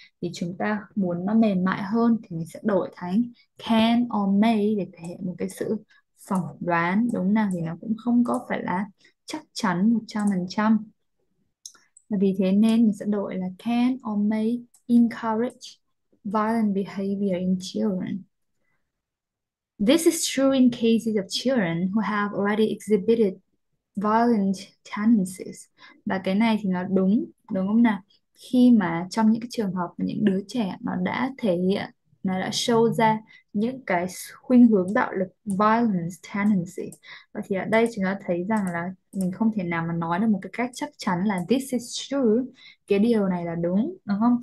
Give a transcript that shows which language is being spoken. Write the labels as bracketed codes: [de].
[vi] Thì chúng ta muốn nó mềm mại hơn thì mình sẽ đổi thành can or may để thể hiện một cái sự phỏng đoán, đúng không nào? Thì nó cũng không có phải là chắc chắn 100%. Vì thế nên mình sẽ đổi là [en] can or may encourage violent behavior in children. This is true in cases of children who have already exhibited violent tendencies. [vi] Và cái này thì nó đúng, đúng không nào? Khi mà trong những cái trường hợp mà những đứa trẻ nó đã thể hiện, nó đã show ra những cái khuynh hướng bạo lực [en] violence tendency. [vi] Và thì ở đây chúng ta thấy rằng là mình không thể nào mà nói được một cái cách chắc chắn là [en] this is true, [vi] cái điều này là đúng, đúng không?